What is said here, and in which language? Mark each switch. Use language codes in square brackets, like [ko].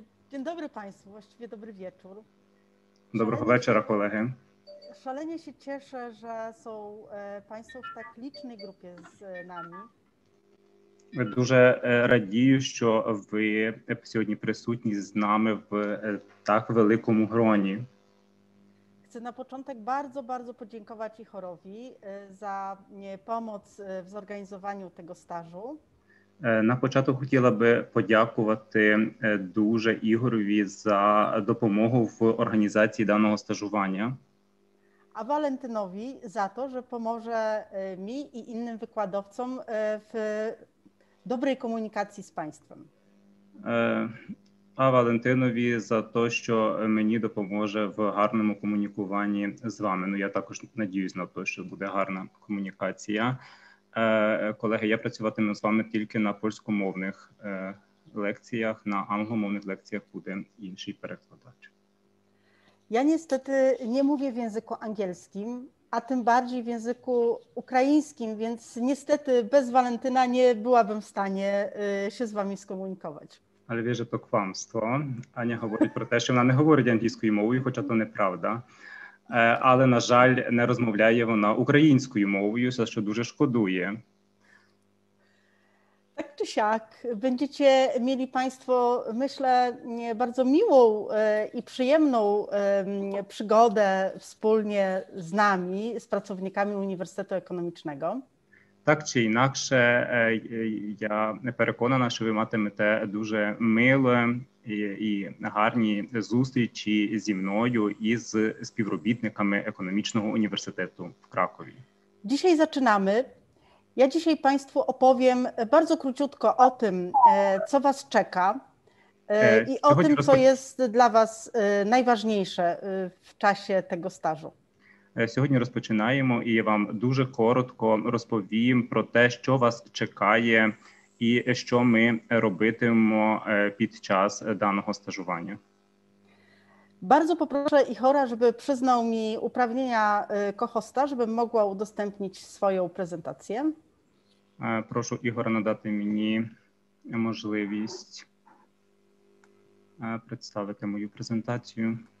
[pl] Dzień dobry Państwu, właściwie dobry wieczór. Dobrego wieczora, kolegę. Szalenie się cieszę, że są Państwo w tak licznej grupie z nami. [uk] Дуже радію, що ви сьогодні присутні з нами в так великому гроні. [pl] Chcę na początek bardzo, bardzo podziękować Ihorowi za pomoc w zorganizowaniu tego stażu. [uk] На початок хотіла би подякувати дуже Ігорові за допомогу в організації даного стажування. А Валентинові за те, що допоможе мені і іншим викладовцям в добрій комунікації з панством. А Валентинові за те, що мені допоможе в гарному комунікуванні з вами. Ну, я також надіюсь на те, що буде гарна комунікація. Колеги, я працюватиму з вами тільки на польськомовних лекціях, на англомовних лекціях буде інший перекладач. [pl] Я niestety nie mówię w języku angielskim, a tym bardziej w języku ukraińskim, więc niestety bez Walentyna nie byłabym w stanie się z wami skomunikować. Ale wie, że to kłamstwo. Ania mówi [uk] про те, що вона не говорить англійською мовою, хоча то неправда. Але, на жаль, не розмовляє вона українською мовою, за що дуже шкодує. Так чи сяк, будете мали панство, мисле, дуже мило і приємну пригоду спільно з нами, з працівниками університету економічного. Так чи інакше, я переконана, що ви матимете дуже миле і гарні зустрічі зі мною і з співробітниками економічного університету в Кракові. [pl] Dzisiaj zaczynamy. Ja dzisiaj Państwu opowiem bardzo króciutko o tym, co Was czeka i o tym, co jest dla Was najważniejsze w czasie tego stażu. [uk] Сьогодні розпочинаємо, і я вам дуже коротко розповім про те, що вас чекає і що ми робитимемо під час даного стажування. [pl] Bardzo poproszę Ihora, żeby przyznał mi uprawnienia kohosta, żebym mogła udostępnić swoją prezentację. [uk] Прошу Ігора надати мені можливість представити мою презентацію.